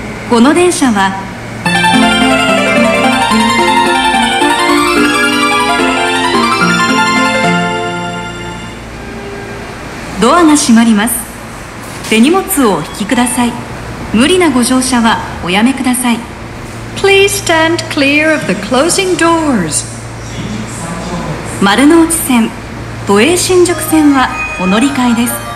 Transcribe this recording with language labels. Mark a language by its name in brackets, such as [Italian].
[Japanese] この電車は。ドアが閉まります。手荷物をお引きください。無理なご乗車はおやめください。 [English] Please stand clear of the closing doors. [Japanese] 丸の内線都営新宿線はお乗り換えです。